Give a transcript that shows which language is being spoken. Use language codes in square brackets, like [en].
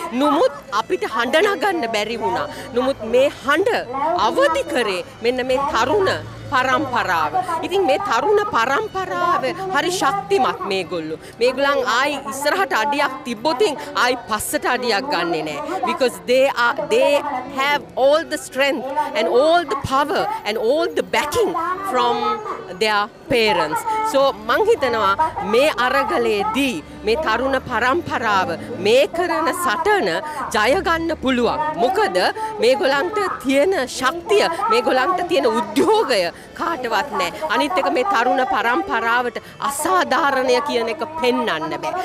[si] නමුත් අපිට හඬ නගන්න බැරි වුණා. නමුත් මේ හඬ අවදි කරේ මෙන්න මේ තරුණ පරම්පරාව. ඉතින් මේ තරුණ පරම්පරාව හරි ශක්තිමත්. මේගොල්ලෝ මේගොල්ලන් ආයි ඉස්සරහට අඩියක් තිබ්බොතින් ආයි පස්සට අඩියක් ගන්නෙ නෑ. [en] Because they have all the strength and all the power and all the backing from their parents. [si] So මං හිතනවා මේ අරගලයේදී මේ තරුණ පරම්පරාව මේ කරන සටන ජය ගන්න පුළුවන්. මොකද මේගොල්ලන්ට තියෙන ශක්තිය, මේගොල්ලන්ට තියෙන උද්‍යෝගය කාටවත් නැහැ. අනිත් එක මේ තරුණ පරම්පරාවට අසාධාරණය කියන එක පෙන්වන්න බෑ.